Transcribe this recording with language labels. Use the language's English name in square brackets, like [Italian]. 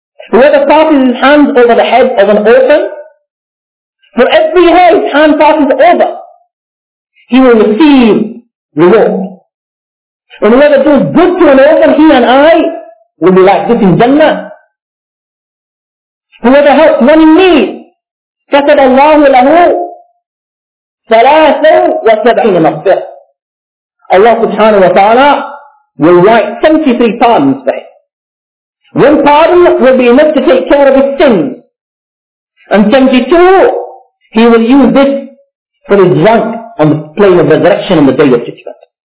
[English] Whoever passes his hand over the head of an orphan, for every hair his hand passes over, he will receive reward. And whoever does good to an orphan, he and I will be like this in Jannah. Whoever helps one in need, [Arabic] كَتَبَ اللَّهُ لَهُ ثَلَاثًا وَسَبْعِينَ مَغْفِرَةً. [English] Allah subhanahu wa ta'ala will write 73 pardons for him. One pardon will be enough to take care of his sins. And 72, he will use this for his rank on the plane of resurrection on the day of judgment.